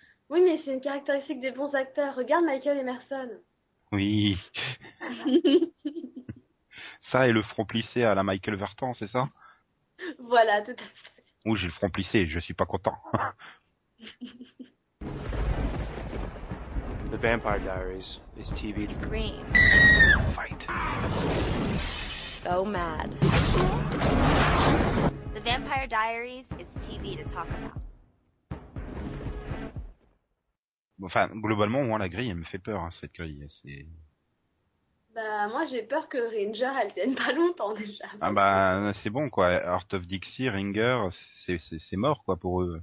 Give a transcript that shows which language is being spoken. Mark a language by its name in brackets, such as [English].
[French] Oui, mais c'est une caractéristique des bons acteurs. Regarde Michael Emerson. Oui. Ça et le front plissé à la Michael Vartan, c'est ça? Voilà, tout à fait. Ouh, j'ai le front plissé, je suis pas content. [English] The Vampire Diaries is TV. Scream. Fight. Go mad. The Vampire Diaries is TV to talk about. [French] Enfin, globalement, moi, la grille, elle me fait peur, hein, cette grille. C'est... Bah, moi, j'ai peur que Ringer, elle tienne pas longtemps déjà. Ah, bah, c'est bon, quoi. Heart of Dixie, Ringer, c'est mort, quoi, pour eux.